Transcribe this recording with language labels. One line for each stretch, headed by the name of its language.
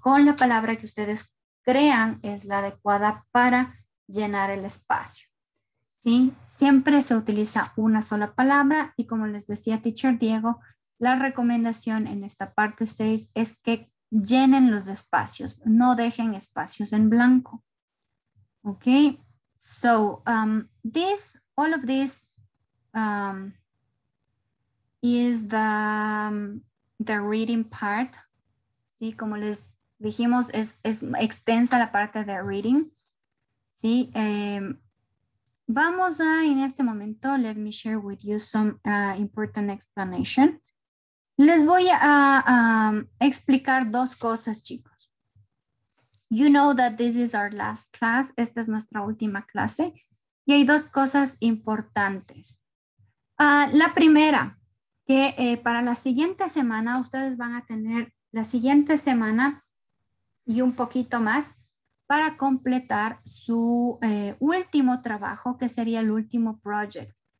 Spanish: Con la palabra que ustedes crean es la adecuada para llenar el espacio, ¿sí? Siempre se utiliza una sola palabra y como les decía Teacher Diego, la recomendación en esta parte 6 es que llenen los espacios, no dejen espacios en blanco.
English: Ok, so all of this is the reading part.
Spanish: Sí, como les dijimos, es extensa la parte de reading. Sí, vamos a en este momento,
English: let me share with you some important explanation.
Spanish: Les voy a explicar 2 cosas, chicos.
English: You know that this is our last class.
Spanish: Esta es nuestra última clase. Y hay 2 cosas importantes. La primera, que para la siguiente semana, ustedes van a tener la siguiente semana y un poquito más para completar su último trabajo, que sería el último project.